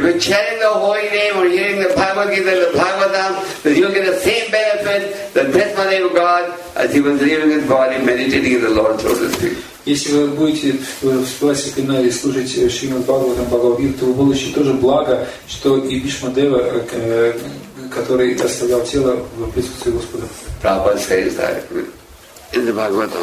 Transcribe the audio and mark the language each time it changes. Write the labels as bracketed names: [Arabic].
[English] имя. If you're chanting the holy name or hearing the Bhagavad Gita and the Bhagavatam, then you'll get the same benefit, the testimony of God, as he was leaving his body, meditating in the Lord's lotus feet. [Russian] Если вы будете воспевать святое имя и служить Шримад Бхагаватам Бхагавадгите, то вы получите тоже благо, что и Бишма Дева, который оставлял тело в присутствии Господа. [English] Prabhupada says that in the Bhagavatam.